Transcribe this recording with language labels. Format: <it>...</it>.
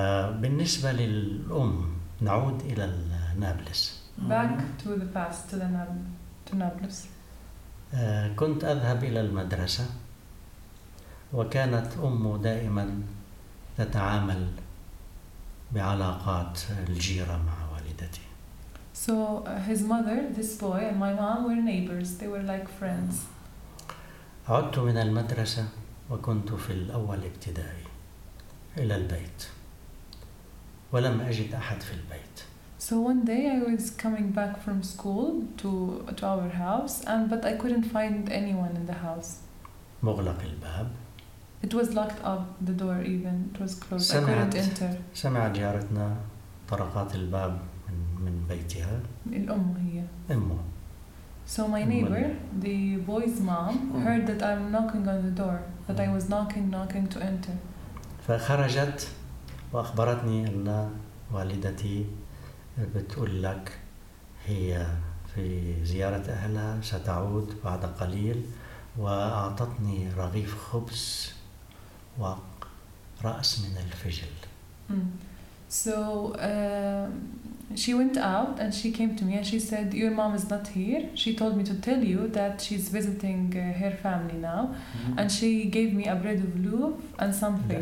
<ar>بالنسبة للأم نعود إلى النابلس.</ar> <en>Back to the past, to the Nablus.</en> <ar>كنت أذهب إلى المدرسة وكانت أمه دائما تتعامل بعلاقات الجيرة مع والدتي.</ar> <en>So his mother, this boy, and my mom were neighbors. They were like friends.</en> <ar>عدت من المدرسة وكنت في الأول ابتدائي إلى البيت ولم أجد أحد في البيت.</ar> <en>So one day I was coming back from school to our house, and but I couldn't find anyone in the house.</en> <ar>مغلق الباب.</ar> <en>It was locked up, the door even. It was closed. I couldn't enter.</en> <ar>سمعت جارتنا طرقات الباب. من بيتها الأم هي أمه.</ar> <en>So my neighbor, the boy's mom, heard that I'm knocking on the door, that I was knocking to enter.</en> <ar>فخرجت وأخبرتني أن والدتي بتقول لك هي في زيارة أهلها ستعود بعد قليل وأعطتني رغيف خبز ورأس من الفجل.</ar> <en>So she went out and she came to me and she said, your mom is not here. She told me to tell you that she's visiting her family now. Mm-hmm. And she gave me a bread of loaf and something.</en>